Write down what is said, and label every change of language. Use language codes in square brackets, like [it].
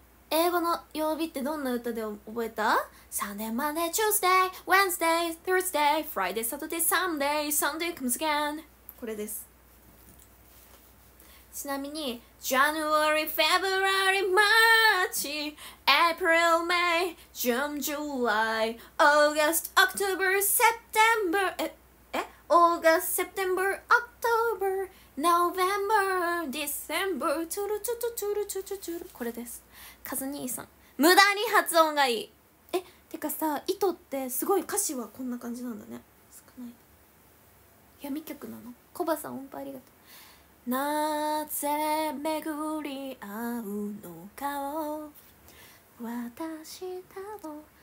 [ja] 英語の曜日ってどんな歌で覚えた？ [en] Sunday, Monday, Tuesday, Wednesday, Thursday, Friday, Saturday, Sunday, Sunday comes again。 [ja] これです。ちなみに [en] January, February, March, April, May, June, July, August, October, September、 August, September, October, November, December、 トゥルトゥルトゥルトゥルトゥルトゥル。 [ja] これです。カズ兄さん無駄に発音がいい。え、てかさ糸ってすごい歌詞はこんな感じなんだね。少ない闇曲なの。コバさん音符ありがとう。なぜ巡り合うのかを、私たの